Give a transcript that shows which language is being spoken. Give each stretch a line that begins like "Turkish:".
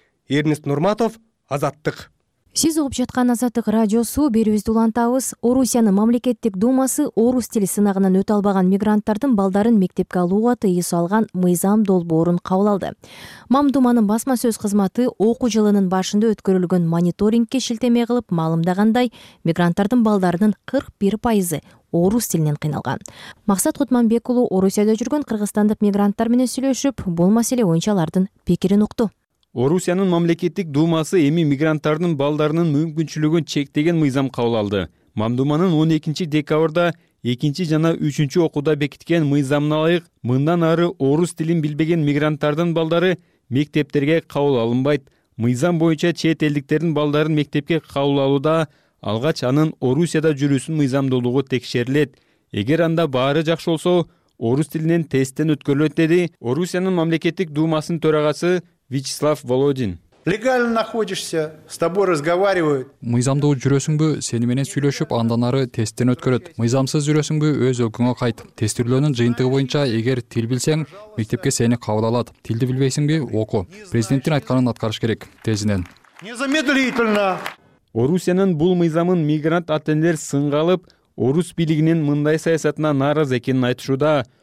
Kyrgyz: Эрнист Нурматов, Азаттык. Сиз угуп жаткан Азаттык радиосу, берүүбүздү улантабыз. Орусиянын мамлекеттик думасы орус тили сынагынан өтө албаган мигранттардын балдарын мектепке алууга тыюу салган мыйзам долбоорун кабыл алды. Мамдуманын басма сөз кызматы окуу жылынын башында өткөрүлгөн мониторингке шилтеме кылып маалымдагандай, мигранттардын балдарынын 41% орус тилинен кыйналган. Максат Кутманбек уулу Орусияда жүргөн кыргызстандык мигранттар менен сүйлөшүп, бул маселе боюнча алардын пикирин укту. Орусиянын мамлекеттик думасы эми мигранттардын балдарынын мүмкүнчүлүгүн чектеген мыйзам кабыл алды. Мамдуманын 12 декабрда 2 жана 3 окууда бекиткен мыйзамына ылайык, мындан ары орус тилин билбеген мигранттардын балдары мектептерге кабыл алынбайт. Мыйзам боюнча чет элдиктердин балдарын мектепке кабыл алууда алгач анын Орусияда жүрүүсүн мыйзамдуулугу текшерилет. Эгер анда баары жакшы болсо, орус тилинен тесттен өткөрүлөт, деди Орусиянын мамлекеттик думасынын төрагасы Вячеслав Володин.
Russian: Легально находишься, с тобой разговаривают.
Kyrgyz: Мыйзамдуу жүрөсүңбү, сени менен сүйлөшүп, андан ары тесттен өткөрөт. Мыйзамсыз жүрөсүңбү, өз өлкөңө кайт. Тестирлөөнүн жыйынтыгы боюнча, эгер тил билсең, мектепке сени кабыл алат. Тилди билбейсиңби, оку. Президенттин айтканын аткарыш керек, тезинен.
Russian: Незамедлительно.
Kyrgyz: Орусиянын бул мыйзамын мигрант атендер сынга алып, орус бийлигинин мындай саясатына нааразы экенин айтышууда.